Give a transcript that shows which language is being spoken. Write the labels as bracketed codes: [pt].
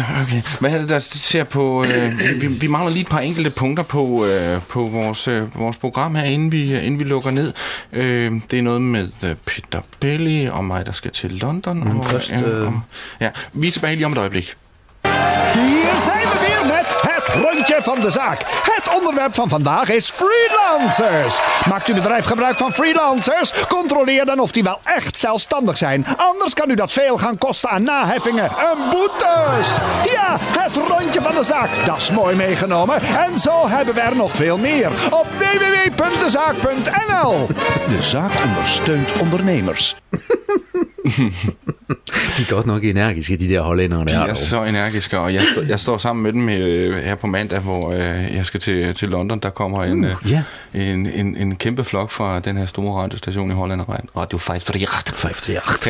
[da] Okay. Hvad er det, der ser på... vi mangler lige et par enkelte punkter på vores program her, inden vi lukker ned. Det er noget med Peter Belli og mig, der skal til London. Men først... Vi er tilbage lige om et øjeblik. [nl] Hier zijn we weer met het rondje van de zaak. Het onderwerp van vandaag is freelancers. Maakt uw bedrijf gebruik van freelancers? Controleer dan of die wel echt zelfstandig zijn. Anders kan u dat veel gaan kosten aan naheffingen en boetes. Ja, het rondje van de zaak. Dat is mooi meegenomen. En zo hebben we er nog veel meer. Op www.dezaak.nl. De zaak ondersteunt ondernemers. [da] De er godt nok energiske, de der hollænder. De er så energiske, og jeg står sammen med dem her på mandag, hvor jeg skal til London. Der kommer en kæmpe flok fra den her store radiostation i Holland. Radio 538. 538.